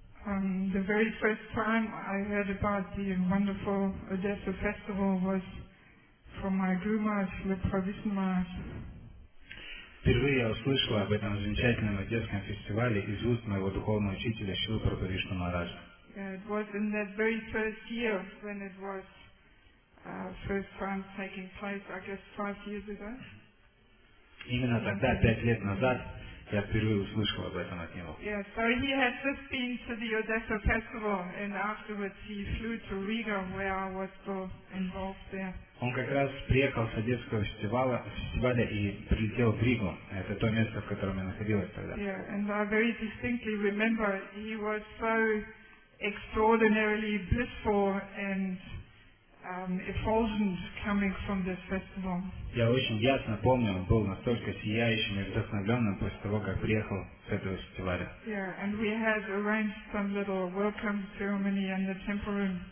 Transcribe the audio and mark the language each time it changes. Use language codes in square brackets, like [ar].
[en] The very first time I heard about the wonderful Odessa Festival was from my Guru Maharaj, Srila Prabhupada Maharaj. [ru] Впервые я услышала об этом замечательном одесском фестивале из уст моего духовного учителя Шрилы Прабхупады Махараджа. [en] It was in that very first year when it was first time taking place, I guess 5 years ago. [ru] Именно тогда, 5 лет назад, я впервые услышал об этом от него. [en] Yeah, so he had just been to the Odessa Festival, and afterwards he flew to Riga, where I was still involved there. [ru] Он как раз приехал с Одесского фестиваля и прилетел в Ригу. Это то место, в котором я находилась тогда. [en] Yeah, and I very distinctly remember he was so extraordinarily blissful and effulgent coming from this festival. [ru] Я очень ясно помню, он был настолько сияющим и вдохновленным после того, как приехал с этого фестиваля. [en] Yeah, and we had arranged some little welcome ceremony in the temple room.